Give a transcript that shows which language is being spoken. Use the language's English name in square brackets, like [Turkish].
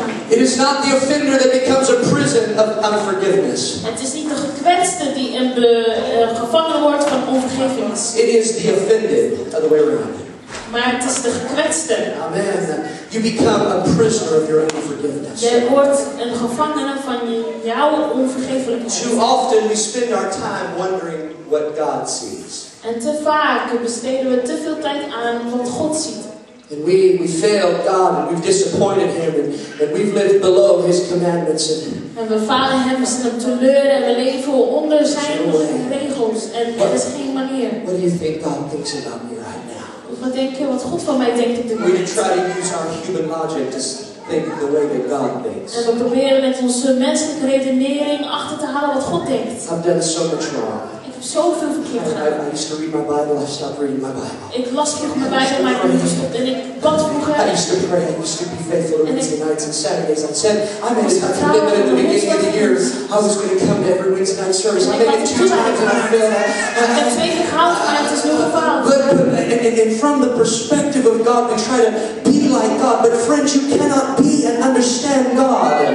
[English] It is not the offender that becomes a prison of unforgiveness. [Dutch] Het is niet de gekwetste die een gevangen wordt van onvergiffenis. [English] It is the offended, other way around. [Dutch] Maar het is de gekwetste. [English] Amen. You become a prisoner of your unforgiveness. [Dutch] Je wordt een gevangene van jouw onvergiffenis. [English] Too often we spend our time wondering what God sees. [Dutch] En te vaak besteden we te veel tijd aan wat God ziet. [English] And we failed God and we've disappointed him and we've lived below his commandments and [Dutch] we falen hem en zijn teleur en we leven onder zijn regels en er is geen manier. [English] What do you think God thinks about me right now? [Dutch] Wat denk je wat God van mij denkt op dit moment? [English] We try to use our human logic to think the way that God thinks. [Dutch] En we proberen met onze menselijke redenering achter te halen wat God denkt. [English] I've done so much wrong. [Dutch] Ik heb zoveel verkeerd gedaan. [English] I used to read my Bible, I stopped reading my Bible. [Dutch] Ik las vroeg mijn Bijbel, maar ik heb niet gestopt. En ik bad vroeger. [English] I used to pray, I used to be faithful to Wednesday nights and Saturdays. I said, I made a commitment at the beginning of the year. I was going to come to every Wednesday night service. I made it two times and I failed. [Dutch] En twee keer gehaald, maar het is nu gefaald. [English] And from the perspective of God, we try to be like God. But friends, you cannot be and understand God.